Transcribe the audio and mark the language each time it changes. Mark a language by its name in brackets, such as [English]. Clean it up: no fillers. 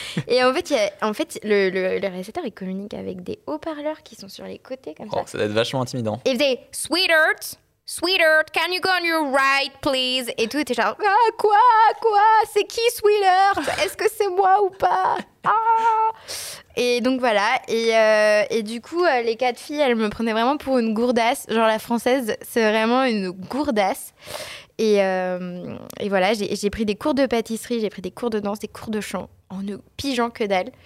[French] Et en fait, le réalisateur, il communique avec des haut-parleurs qui sont sur les côtés comme ça. Ça doit être vachement intimidant. Et il faisait « Sweetheart ». [English] Sweetheart, can you go on your right, please? [French] Et tout était genre, ah, quoi? C'est qui, Sweetheart? Est-ce que c'est moi ou pas? Et donc voilà. Et du coup, les quatre filles, elles me prenaient vraiment pour une gourdasse. Genre, la française, c'est vraiment une gourdasse. Et voilà, j'ai pris des cours de pâtisserie, j'ai pris des cours de danse, des cours de chant, en ne pigeant que dalle.